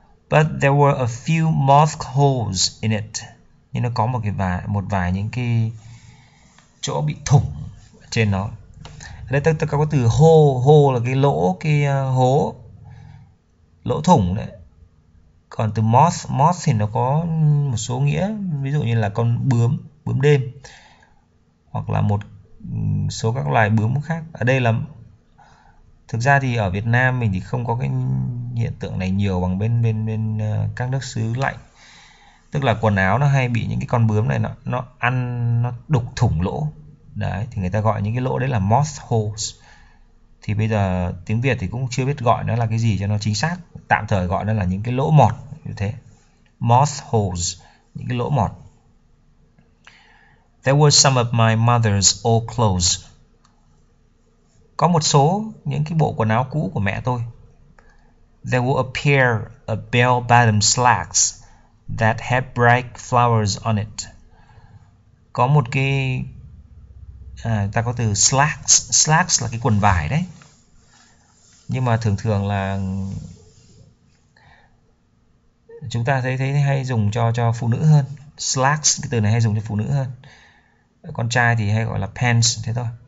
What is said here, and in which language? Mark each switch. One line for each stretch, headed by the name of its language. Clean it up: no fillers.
English: But there were a few moth holes in it.
Vietnamese: Nhưng nó có một vài những cái chỗ bị thủng trên nó. Đây tôi có từ hole, hole là cái hố, lỗ thủng đấy. Còn từ moth, moth thì nó có một số nghĩa, ví dụ như là con bướm, bướm đêm. Hoặc là một số các loài bướm khác. Ở đây là thực ra thì ở Việt Nam mình thì không có cái hiện tượng này nhiều bằng bên bên bên các nước xứ lạnh. Tức là quần áo nó hay bị những cái con bướm này nó ăn, nó đục thủng lỗ. Đấy, thì người ta gọi những cái lỗ đấy là moth holes. Thì bây giờ tiếng Việt thì cũng chưa biết gọi nó là cái gì cho nó chính xác. Tạm thời gọi nó là những cái lỗ mọt như thế. Moth holes, những cái lỗ mọt.
English: There were some of my mother's old clothes.
Vietnamese: Có một số những cái bộ quần áo cũ của mẹ tôi.
English: There were a pair of bell-bottom slacks that had bright flowers on it.
Vietnamese: Có một cái ta có từ slacks, slacks là cái quần vải đấy. Nhưng mà thường thường là chúng ta thấy thấy hay dùng cho phụ nữ hơn. Slacks cái từ này hay dùng cho phụ nữ hơn. Con trai thì hay gọi là pants thế thôi.